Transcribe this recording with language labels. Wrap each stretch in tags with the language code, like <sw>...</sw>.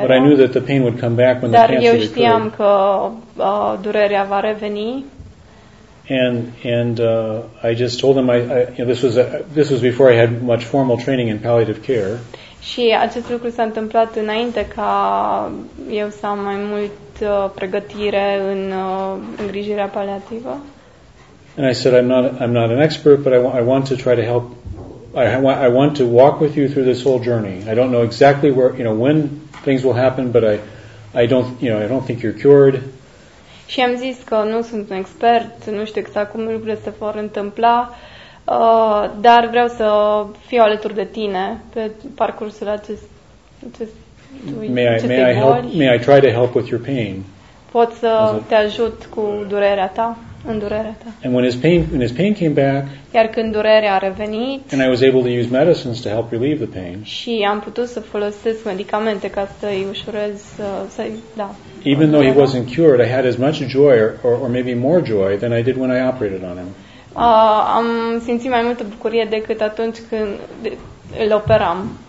<en>But I knew that the pain would come back when</en> <ro>dar</ro> <en>the cancer</en> <ro>eu știam</ro> <en>occurred.</en> <ro>Că durerea va reveni.</ro> <en>And I just told him this was before I had much formal training in palliative care.</en> <ro>Și acest lucru s-a întâmplat înainte ca eu să am mai mult pregătire în îngrijirea paliativă.</ro> <en>And I said, I'm not an expert, but I want to try to help. I want to walk with you through this whole journey. I don't know exactly where, you know, when things will happen, but I don't think you're cured.</en> <ro>Și am zis că nu sunt un expert, nu știu exact cum lucrurile se vor întâmpla, dar vreau să fiu alături de tine pe parcursul</ro> <en>May I try to help with your pain?</en> <ro>Pot să te ajut cu durerea ta, în durerea ta.</ro> <en>And when his pain came back,</en> <ro>iar când durerea a revenit,</ro> <en>and I was able to use medicines to help relieve the pain.</en> <ro>Și am putut să folosesc medicamente ca să îi ușurez da.</ro> <en>Even though he wasn't cured, I had as much joy or maybe more joy than I did when I operated on him.</en> <ro>Am simțit mai multă bucurie decât atunci când îl operam.</ro>